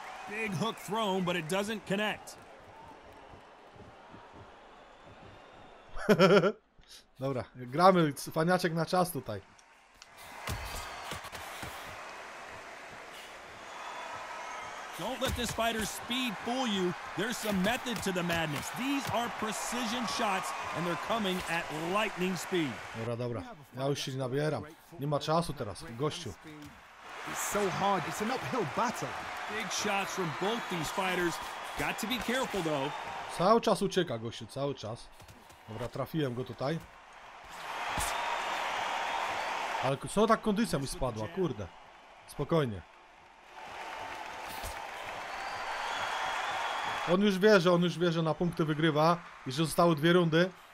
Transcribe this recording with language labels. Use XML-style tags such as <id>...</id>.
<en>Big hook thrown, but it doesn't connect.</en> <pl>Dobra, gramy faniaczek na czas tutaj.</pl> <en>Don't let this fighter's speed fool you. There's some method to the madness. These are precision shots, and they're coming at lightning speed.</en> <pl>Dobra, dobra. Ja już się nabieram. Nie ma czasu teraz, gościu.</pl> <en>It's so hard. It's an uphill battle. Big shots from both these fighters. Got to be careful, though.</en> <pl>Cały czas ucieka, gościu, cały czas. Dobra, trafiłem go tutaj. Ale co tak kondycja mi spadła, kurde. Spokojnie. On już wie, że na punkty wygrywa i że zostały 2 rundy.</pl>